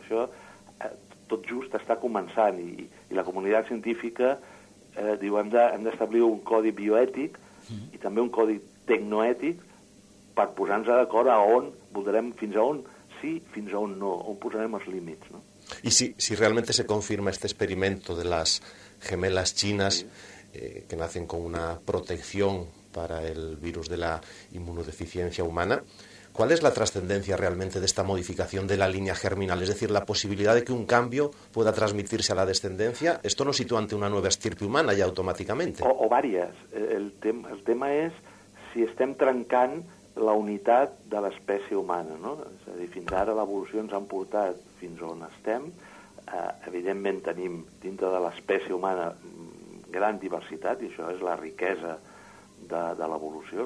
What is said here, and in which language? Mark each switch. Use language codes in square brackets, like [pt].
[ca] Això tot just està començant i la comunitat científica diu hem d'establir un codi bioètic i també un codi tecnoètic per posar-nos d'acord a on voldrem, fins a on sí, fins a on no, on posarem els límits. No? I si realment se confirma aquest experiment de les gemeles xines, [es] que nacen con una protección para el virus de la inmunodeficiencia humana, ¿cuál es la trascendencia realmente de esta modificación de la línea germinal? Es decir, la posibilidad de que un cambio pueda transmitirse a la descendencia, esto nos sitúa ante una nueva estirpe humana ya automáticamente. O varias. [ca] El tema es si estem trencant la unitat de l'espècie humana, no? És a dir, fins ara l'evolució ens ha portat fins on estem. Evidentment tenim dintre de l'espècie humana gran diversitat i això és la riquesa de l'evolució.